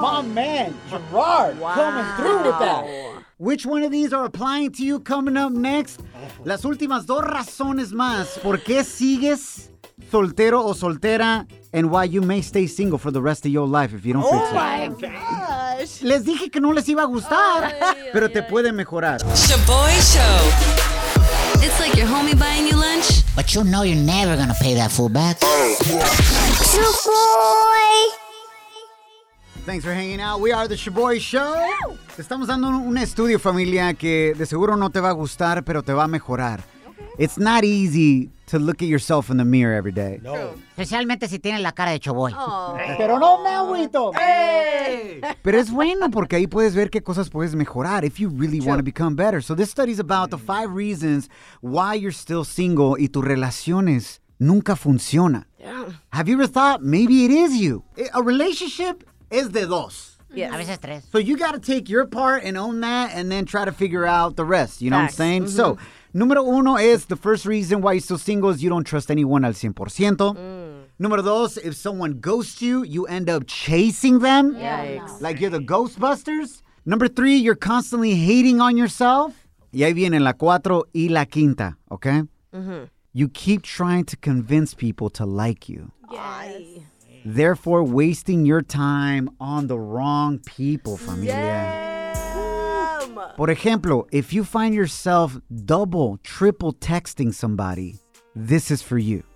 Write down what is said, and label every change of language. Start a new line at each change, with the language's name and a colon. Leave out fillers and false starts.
English: My man, Gerard, coming through with that. Which one of these are applying to you coming up next?
Spanish: Las últimas dos razones más. ¿Por qué sigues soltero o soltera?
English: And why you may stay single for the rest of your life if you don't fix it. Oh, my gosh.
Spanish: Les dije que no les iba a gustar, pero te puede mejorar.
English: Shaboy Show. It's like your homie buying you lunch. But you know you're never going to pay that full back. Shaboy. Thanks for hanging out. We are the Shaboy Show.
Spanish: Estamos dando un estudio, familia, que de seguro no te va a gustar, pero te va a mejorar.
English: It's not easy to look at yourself in the mirror every day. No.
Spanish: Especialmente si tienes la cara de choboy. Pero no me agüito. Pero es bueno porque ahí puedes ver qué cosas puedes mejorar
English: if you really want to become better. So this study is about the five reasons why you're still single
Spanish: y tus relaciones nunca funcionan.
English: Yeah. Have you ever thought maybe it is you? A relationship
Spanish: es de dos. Yes. A veces tres.
English: So you got to take your part and own that and then try to figure out the rest. You know Facts. What I'm saying? Mm-hmm. So,
Spanish: número uno
English: is the first reason why you're still single is you don't trust anyone al 100%. Mm.
Spanish: Número dos,
English: if someone ghosts you, you end up chasing them. Yikes. Like you're the Ghostbusters. Number three, you're constantly hating on yourself.
Spanish: Y ahí vienen la cuatro y la quinta, okay?
English: Mm-hmm. You keep trying to convince people to like you. Yes. Therefore, wasting your time on the wrong people, familia. Yeah.
Spanish: Por ejemplo,
English: if you find yourself double, triple texting somebody, this is for you.